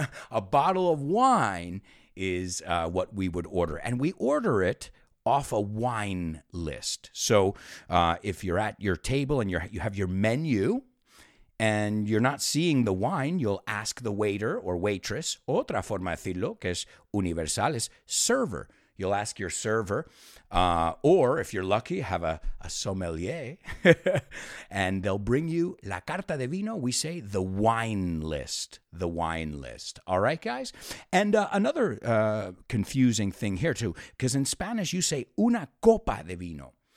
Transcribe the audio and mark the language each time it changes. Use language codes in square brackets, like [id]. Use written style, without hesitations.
[en] A bottle of wine is what we would order. And we order it off a wine list. So if you're at your table and you have your menu, and you're not seeing the wine, you'll ask the waiter or waitress. [es] Otra forma de decirlo, que es universal, es server. [en] You'll ask your server, or if you're lucky, have a sommelier, and they'll bring you [es] la carta de vino. [en] We say the wine list, the wine list. All right, guys? And another confusing thing here, too, because in Spanish, you say [es] una copa de vino.